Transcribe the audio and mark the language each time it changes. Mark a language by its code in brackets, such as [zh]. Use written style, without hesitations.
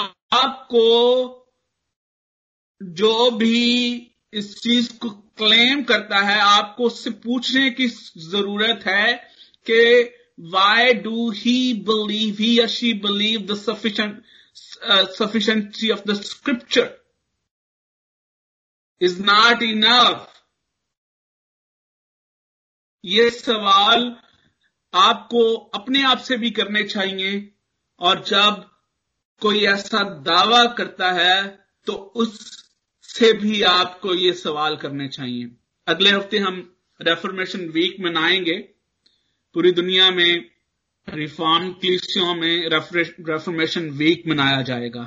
[ur] آپ کو جو بھی اس چیز کو کلیم کرتا ہے, آپ کو اس سے پوچھنے کی ضرورت ہے کہ [en] why do he believe, he or she believe the sufficiency of the scripture is not enough. [ur] یہ سوال آپ کو اپنے آپ سے بھی کرنے چاہیے, اور جب کوئی ایسا دعویٰ کرتا ہے تو اس سے بھی آپ کو یہ سوال کرنے چاہیے. اگلے ہفتے ہم ریفرمیشن ویک منائیں گے. پوری دنیا میں ریفارم کلیسیوں میں ریفرمیشن ویک منایا جائے گا.